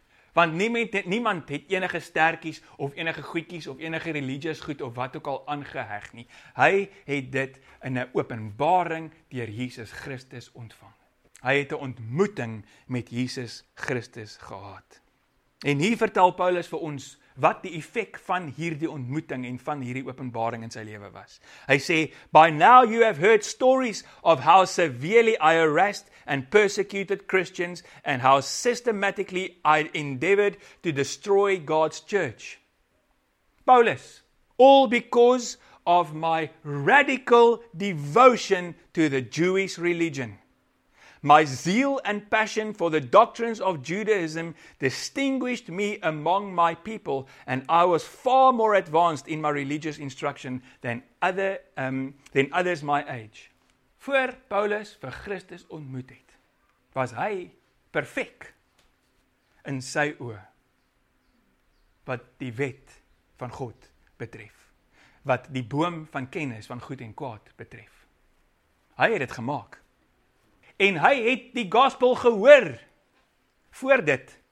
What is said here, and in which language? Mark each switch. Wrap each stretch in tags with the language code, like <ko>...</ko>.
<af>Want niemand het enige sterkies of enige goedjies of enige religious goed of wat ook al aangeheg nie. Hy het dit in 'n openbaring deur Jesus Christus ontvang. Hy het 'n ontmoeting met Jesus Christus gehad. En hier vertel Paulus vir ons wat die effek van hierdie ontmoeting en van hierdie openbaring in sy lewe was. Hy sê,</af> <en>by now you have heard stories of how severely I harassed and persecuted Christians and how systematically I endeavored to destroy God's church. Paulus, all because of my radical devotion to the Jewish religion. My zeal and passion for the doctrines of Judaism distinguished me among my people, and I was far more advanced in my religious instruction than others my age.</en> <af>Voor Paulus vir Christus ontmoet het, was hy perfek. in sy oë wat die wet van God betref, wat die boom van kennis van goed en kwaad betref. Hy het dit gemaak. En hy het die gospel gehoor voor dit.</af>